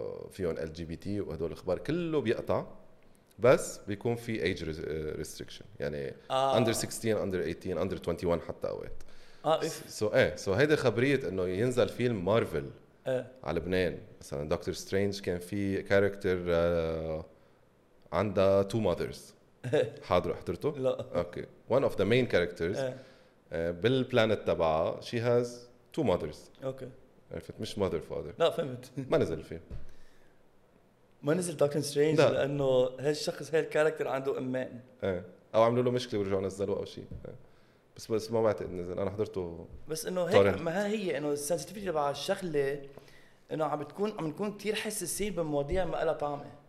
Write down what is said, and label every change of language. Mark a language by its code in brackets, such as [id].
[ar] فيهم ال جي بي تي وهدول الاخبار كله بيقطع بس بيكون في ايج ريستريكشن يعني اندر 16 اندر 18 اندر 21 حتى اوقات سو هيدي خبريه انه ينزل فيلم مارفل على لبنان مثلا دكتور سترينج كان في كاركتر عندها تو ماذرز حاضر حضرته؟ لا اوكي [en] one of the main characters [ar] بالبلانت تبعها [en] she has two mothers [ar] اوكي عرفت مش [en] mother father [ar] لا فهمت ما نزل فيه ما نزل دكتور سترينج لانه هالشخص هالكاركتر عنده امان او عملوا له مشكله ورجعوا نزلوا او شيء بس ما بعتقد نزل انا حضرته بس انه هيك طارن. ما هي انه السنسيتيفيتي تبع الشغله انه عم نكون كثير حساسين بمواضيع ما لها طعمه